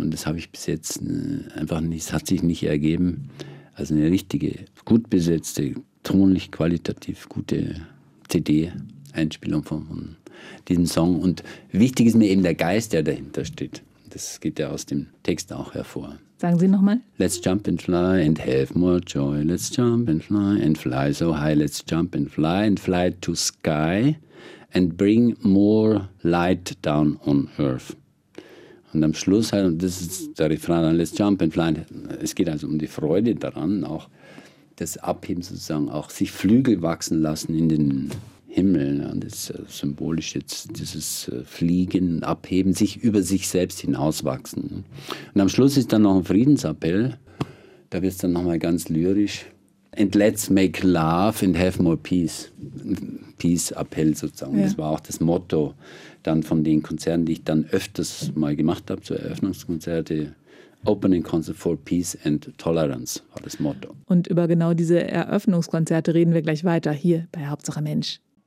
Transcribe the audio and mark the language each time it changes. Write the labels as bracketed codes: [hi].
[de] Und das habe ich bis jetzt einfach nicht, das hat sich nicht ergeben. Also eine richtige, gut besetzte, tonlich qualitativ gute CD-Einspielung von diesem Song. Und wichtig ist mir eben der Geist, der dahinter steht. Das geht ja aus dem Text auch hervor. Sagen Sie nochmal. [en] Let's jump and fly and have more joy. Let's jump and fly so high. Let's jump and fly to sky and bring more light down on earth. [de] Und am Schluss halt, und das ist der Refrain, dann [en] let's jump and fly. [de] Es geht also um die Freude daran, auch das Abheben sozusagen, auch sich Flügel wachsen lassen in den Himmel. Und das ist symbolisch jetzt dieses Fliegen, Abheben, sich über sich selbst hinauswachsen. Und am Schluss ist dann noch ein Friedensappell. Da wird es dann nochmal ganz lyrisch. [en] And let's make love and have more peace. [de] Peace-Appell sozusagen. Ja. Das war auch das Motto dann von den Konzerten, die ich dann öfters mal gemacht habe, so Eröffnungskonzerte. [en] Opening Concert for Peace and Tolerance [de] war das Motto. Und über genau diese Eröffnungskonzerte reden wir gleich weiter hier bei Hauptsache Mensch.